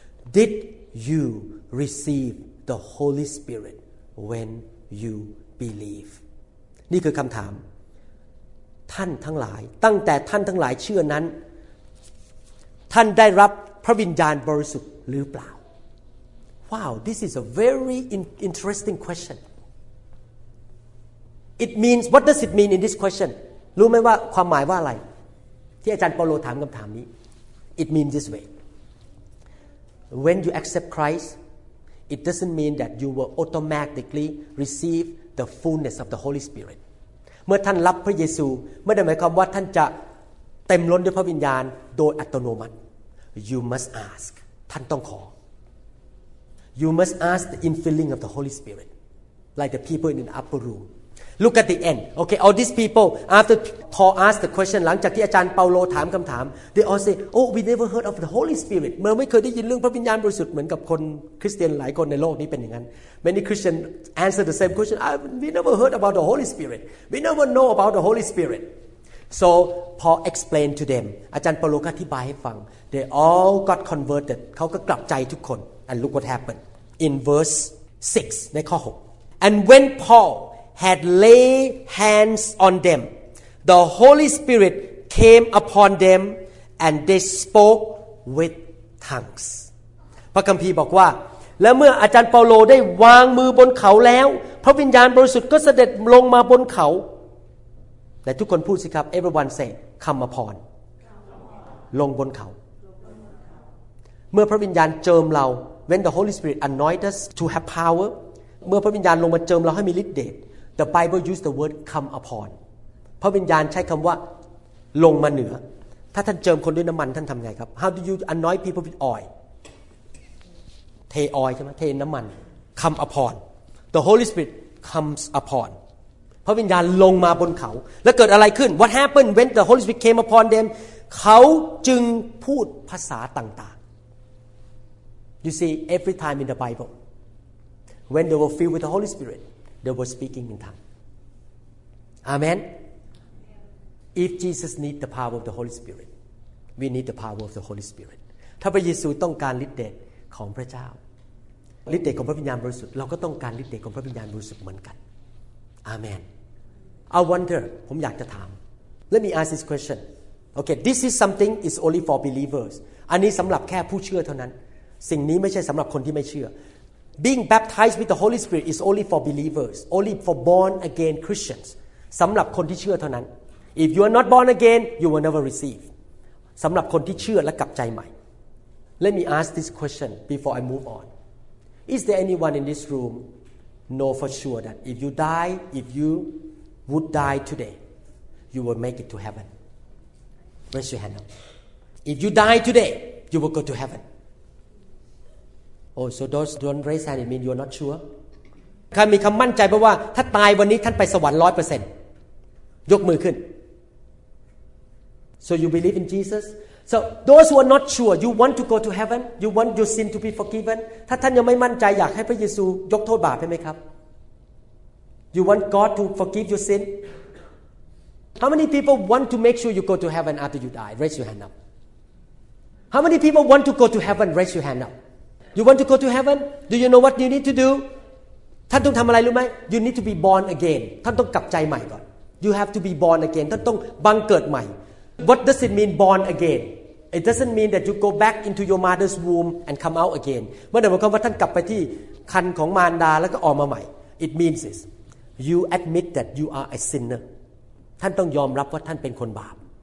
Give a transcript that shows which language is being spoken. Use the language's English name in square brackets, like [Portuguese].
[English] Did you receive the Holy Spirit when you believe? [Thai] นี่คือคำถามท่านทั้งหลายตั้งแต่ท่านทั้งหลายเชื่อนั้นท่านได้รับพระวิญญาณบริสุทธิ์หรือเปล่า [English] Wow, this is a very interesting question. It means, what does it mean in this question? [Thai] รู้ไหมว่าความหมายว่าอะไรที่อาจารย์เปาโลถามคำถามนี้ [English] It means this way When you accept Christ It doesn't mean that you will automatically receive the fullness of the Holy Spirit [Thai] เมื่อท่านรับพระเยซูไม่ได้หมายความว่าท่านจะเต็มล้นด้วยพระวิญญาณโดยอัตโนมัติ [English] You must ask [Thai] ท่านต้องขอ [English] You must ask the infilling of the Holy Spirit Like the people in the upper roomLook at the end. Okay, all these people, after Paul asked the question, [Thai] หลังจากที่อาจารย์เปาโลถามคำถาม [English] they all say, oh, we never heard of the Holy Spirit. [Thai] เราไม่เคยได้ยินเรื่องพระวิญญาณบริสุทธิ์เหมือนกับคนคริสเตียนหลายคนในโลกนี้เป็นอย่างนั้น [English] Many Christians answer the same question, we never heard about the Holy Spirit. We never know about the Holy Spirit. So, Paul explained to them. [Thai] อาจารย์เปาโลอธิบายให้ฟัง [English] They all got converted. [Thai] เขาก็กลับใจทุกคน [English] And look what happened. In verse 6, [Thai] ในข้อ6. [English] And when PaulHad laid hands on them, the Holy Spirit came upon them, and they spoke with tongues. [Thai] พระคัมภีร์บอกว่าและเมื่ออาจารย์เปาโลได้วางมือบนเขาแล้วพระวิญญาณบริสุทธิ์ก็เสด็จลงมาบนเขาแต่ทุกคนพูดสิครับ [English] Everyone say come upon [Thai] ลงบนเขาเมื่อพระวิญญาณเจิมเรา [English] When the Holy Spirit anoint us to have power, [Thai] เมื่อพระวิญญาณลงมาเจิมเราให้มีฤทธิ์เดช [English] The Bible used the word come upon. [Thai] พระวิญญาณใช้คำว่าลงมาเหนือถ้าท่านเจิมคนด้วยน้ำมันท่านทำไงครับ [English] How do you anoint people with oil? [Thai] เทออยใช่ไหมเทน้ำมัน [English] Come upon. The Holy Spirit comes upon. [Thai] พระวิญญาณลงมาบนเขาแล้วเกิดอะไรขึ้น [English] What happened when the Holy Spirit came upon them? [Thai] เขาจึงพูดภาษาต่างๆ [English] You see, every time in the Bible, when they were filled with the Holy Spirit,They were speaking in tongues. Amen. If Jesus needs the power of the Holy Spirit, we need the power of the Holy Spirit. [Thai] ถ้าพระเยซูต้องการฤทธิ์เดชของพระเจ้าฤทธิ์เดชของพระวิญญาณบริสุทธิ์เราก็ต้องการฤทธิ์เดชของพระวิญญาณบริสุทธิ์เหมือนกัน [English] Amen. I wonder. [Thai] ผมอยากจะถาม [English] Let me ask this question. Okay, this is something is only for believers. [Thai] อันนี้สำหรับแค่ผู้เชื่อเท่านั้นสิ่งนี้ไม่ใช่สำหรับคนที่ไม่เชื่อ [English] Being baptized with the Holy Spirit is only for believers, only for born again Christians. [Thai] สำหรับคนที่เชื่อเท่านั้น [English] If you are not born again, you will never receive. [Thai] สำหรับคนที่เชื่อและกลับใจใหม่ [English] Let me ask this question before I move on. Is there anyone in this room know for sure that if you die, if you would die today, you will make it to heaven? Raise your hand up. If you die today, you will go to heaven. Oh, so those don't raise hand, it means you're not sure. [Thai] ใครมีคำมั่นใจบ้างว่าถ้าตายวันนี้ท่านไปสวรรค์ 100% ยกมือขึ้น [English] So you believe in Jesus? So those who are not sure, you want to go to heaven? You want your sin to be forgiven? [Thai] ถ้าท่านยังไม่มั่นใจอยากให้พระเยซูยกโทษบาปใช่ไหมครับ [English] You want God to forgive your sin? How many people want to make sure you go to heaven after you die? Raise your hand up. How many people want to go to heaven? Raise your hand up. You want to go to heaven? Do you know what you need to do? [Thai] ท่านต้องทำอะไรรู้ไหม [English] You need to be born again [Thai] ท่านต้องกลับใจใหม่ก่อน [English] You have to be born again [Thai] ท่านต้องบังเกิดใหม่ [English] What does it mean born again It doesn't mean that you go back into your mother's womb and come out again [Thai] เมื่อไหร่ก็ว่าท่านกลับไปที่ครรภ์ของมารดาแล้วก็ออกมาใหม่ [English] It means this You admit that you are a sinner [Thai] ท่านต้องยอมรับว่าท่านเป็นคนบาป